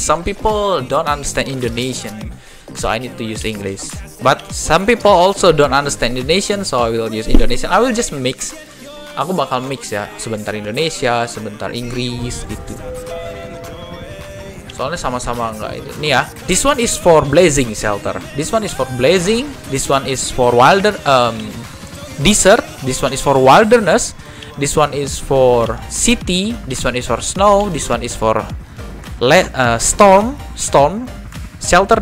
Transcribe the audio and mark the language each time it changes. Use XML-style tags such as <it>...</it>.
<en>Some people don't understand Indonesian, so I need to use English. But some people also don't understand Indonesian, so I will use Indonesian. I will just mix.</en> <id>Aku bakal mix ya, sebentar Indonesia, sebentar Inggris gitu. Soalnya sama-sama enggak itu. Nih ya,</id> <en>this one is for Blazing Shelter. This one is for Blazing. This one is for Wilder. Desert, this one is for wilderness. This one is for city. This one is for snow. This one is for storm shelter.</en>